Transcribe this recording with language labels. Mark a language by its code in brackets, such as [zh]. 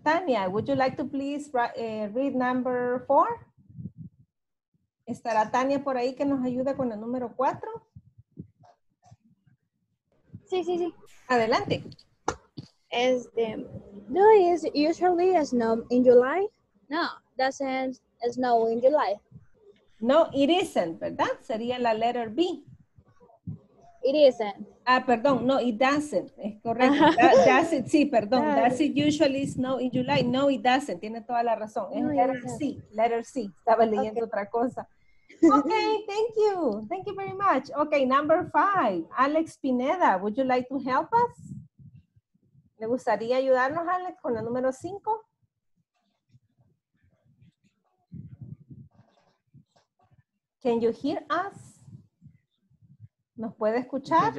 [en] Tania, would you like to please read number 4? [es] ¿Estará Tania por ahí que nos ayude con el número 4? Sí, sí, sí. Adelante. [en] Do is usually snow in July? No, doesn't snow in July. No, it isn't, [es] ¿verdad? Sería la letter B. [en] It isn't. [es] Ah, perdón, no, it doesn't, es correcto, does it, sí, perdón, [en] does it usually snow in July? No, it doesn't, [es] tiene toda la razón, es letter C, estaba leyendo okay. Otra cosa. [en] Okay, thank you very much. Okay, number 5, Alex Pineda, would you like to help us? [es] ¿Le gustaría ayudarnos, Alex, con la número 5? [en] Can you hear us? [es] ¿Nos puede escuchar?